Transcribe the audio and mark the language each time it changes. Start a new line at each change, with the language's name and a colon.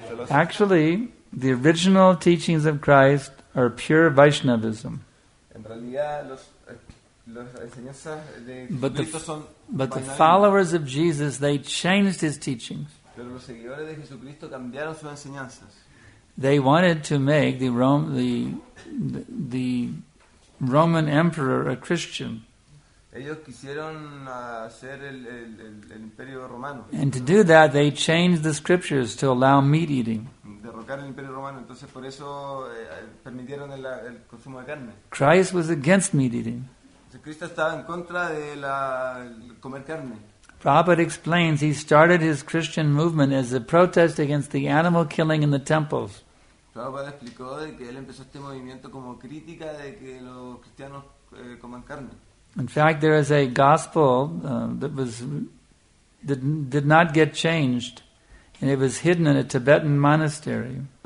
English: Actually, the original teachings of Christ are pure Vaishnavism. But the followers of Jesus, they changed his teachings.
Spanish: Pero los seguidores de Jesucristo cambiaron sus enseñanzas.
English: They wanted to make the Roman emperor a Christian.
Spanish: Ellos quisieron hacer el Imperio Romano.
English: And to do that, they changed the scriptures to allow meat eating.
Spanish: Derrocar el Imperio Romano, entonces por eso permitieron el consumo de carne.
English: Christ was against meat eating.
Spanish: Cristo estaba en contra de la comer carne.
English: Prabhupada explains he started his Christian movement as a protest against the animal killing in the temples.
Spanish: Prabhupada explicó que él empezó este movimiento como crítica de que los cristianos coman carne.
English: In fact, there is a gospel that was did not get changed, and it was hidden in a Tibetan monastery.